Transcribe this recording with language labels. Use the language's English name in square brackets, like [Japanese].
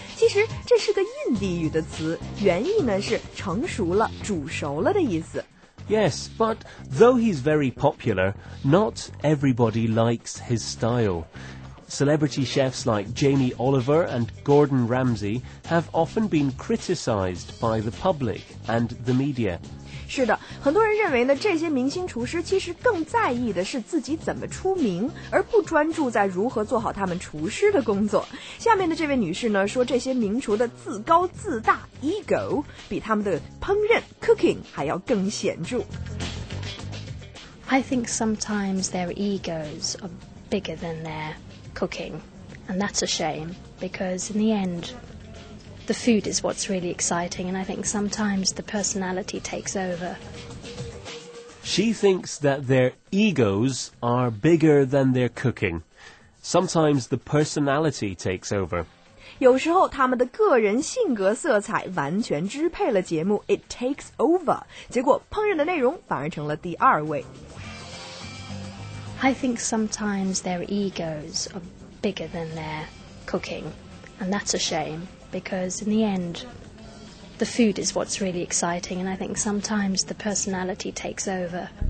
[Chinese] 其实这是个印地语的词，原意呢是成熟了、煮熟了的意思。 [English] Yes, but though he's very popular, not everybody likes his style. Celebrity chefs like Jamie Oliver and Gordon Ramsay have often been criticized by the public and the media. [Chinese] 是的，很多人认为呢，这些明星厨师其实更在意的是自己怎么出名，而不专注在如何做好他们厨师的工作。下面的这位女士呢，说这些名厨的自高自大 ego 比他们的烹饪 cooking 还要更显著。 [English] I think sometimes their egos are bigger than their cooking, and that's a shame because in the end, the food is what's really exciting, and I think sometimes the personality takes over. She thinks that their egos are bigger than their cooking. Sometimes the personality takes over. [Chinese] 有时候他们的个人性格色彩完全支配了节目 [English] it takes over. [Chinese] 结果烹饪的内容反而成了第二位。 [English] I think sometimes their egos are bigger than their cooking, and that's a shame, because in the end, the food is what's really exciting, and I think sometimes the personality takes over.